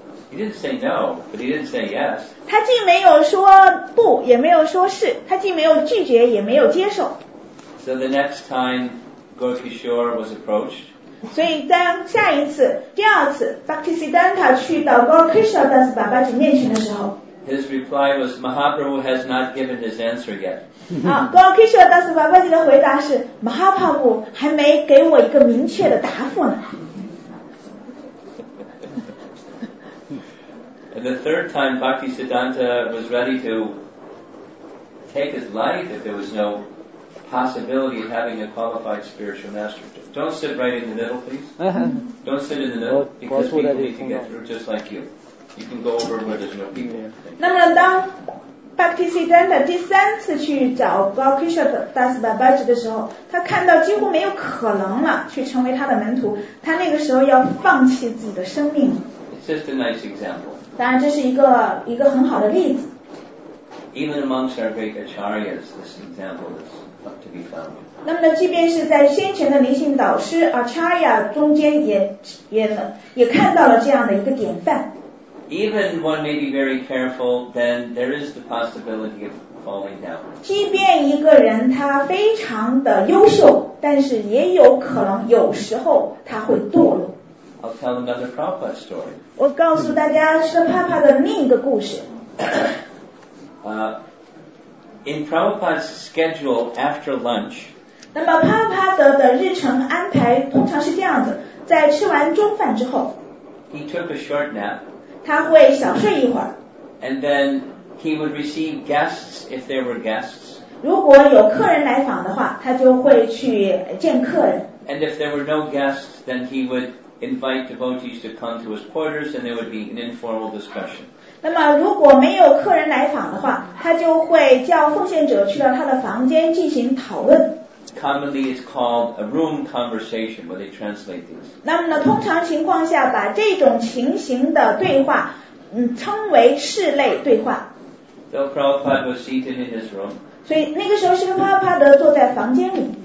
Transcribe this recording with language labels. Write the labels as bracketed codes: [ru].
[en] He didn't say no, but he didn't say yes. [zh] 他既没有说不，也没有说是，他既没有拒绝，也没有接受。 [en] So the next time Gaur Kishore was approached. [zh] 所以当下一次，第二次 ，Bhaktisiddhanta 去到 Gaur Kishore Das Babaji 面前的时候 [en] ，His reply was Mahaprabhu has not given his answer yet. [zh] 啊 ，Gaur Kishore Das Babaji 的回答是 ，Mahaprabhu 还没给我一个明确的答复呢。 [en] And the third time Bhaktisiddhanta was ready to take his life if there was no possibility of having a qualified spiritual master. Don't sit right in the middle, please. Don't sit in the middle because people need to get through just like you. You can go over where there's no people. [zh] 那么当 Bhaktisiddhanta 第三次去找 Gaur Kishore Das Babaji 的时候，他看到几乎没有可能了去成为他的门徒，他那个时候要放弃自己的生命。 [en] It's just a nice example. [zh] 当然这是一个很好的例子。 [en] Even amongst our great acharyas, this example is not to be found. [zh] 那么即便是在先前的灵性导师 acharya 中间也看到了这样的一个典范。 [en] Even one may be very careful, then there is the possibility of falling down. [zh] 即便一个人他非常的优秀，但是也有可能有时候他会堕落。 [en] I'll tell another Prabhupada story. [zh] 我告诉大家是帕帕的另一个故事。 [en] In Prabhupada's schedule after lunch, [zh] 那么帕帕的日程安排通常是这样子，在吃完中饭之后， [en] he took a short nap. [zh] 他会小睡一会儿。 [en] And then he would receive guests if there were guests. [zh] 如果有客人来访的话，他就会去见客人。 [en] And if there were no guests, then he would invite devotees to come to his quarters and there would be an informal discussion. [zh] 那么如果没有客人来访的话，他就会叫奉献者去到他的房间进行讨论。 [en] Commonly it's called a room conversation where they translate these. [zh] 那么呢，通常情况下把这种情形的对话称为室内对话。 [en] So Prabhupada was seated in his room. [zh] 所以那个时候是帕帕德坐在房间里。